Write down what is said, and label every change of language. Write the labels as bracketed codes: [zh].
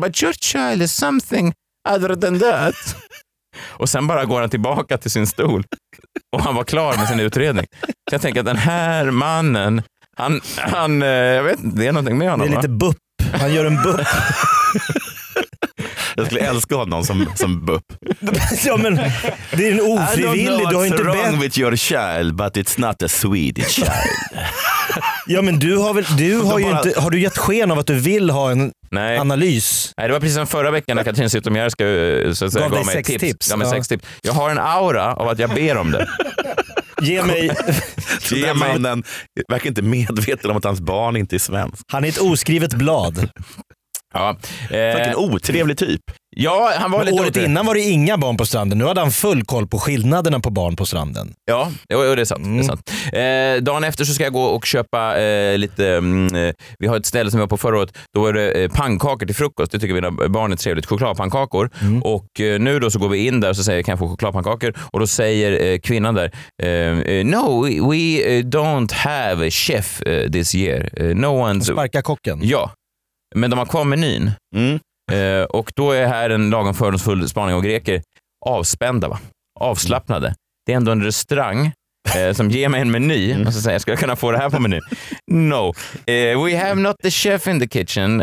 [en] But your child is something other than that. [sv] Och sen bara går han tillbaka till sin stol. Och han var klar med sin utredning. Så jag tänker att den här mannen, han jag vet inte, det är någonting med honom. Det är lite bupp. Han gör en bupp. Jag skulle älska honom som bupp. Ja, men det är en ofrivillig. [en] I don't know what's [sv] du har inte [en] wrong with your child, but it's not a Swedish child. [sv] Ja, men har du gett sken av att du vill ha en... Nej. Analys. Nej, det var precis som förra veckan när Katrin Zytomierska ska så att säga, gå med sex tips. Jag har en aura av att jag ber om det. Ge mig... Ge mannen verkar inte medveten om att hans barn inte är svensk. Han är ett oskrivet blad. Ja, Vilken otrevlig typ. Ja, han var lite året otrevlig. Innan var det inga barn på stranden. Nu hade han full koll på skillnaderna på barn på stranden. Ja, det är sant. Mm. Det är sant. Dagen efter så ska jag gå och köpa lite... vi har ett ställe som vi var på förra året. Då var det pannkakor till frukost. Det tycker mina barn är trevligt. Chokladpannkakor. Mm. Och nu då så går vi in där och så säger jag, kan jag få chokladpannkakor? Och då säger kvinnan där... [en] no, we don't have a chef this year. No one's... [sv] Sparka kocken. Ja. Men de har kvar menyn. Mm. Och då är här en lagom fördomsfull spaning, och greker avspända, va? Avslappnade. Det är ändå en restaurang som ger mig en meny. Mm. Och så säger jag, ska jag kunna få det här på menyn? [en] No. We have not the chef in the kitchen.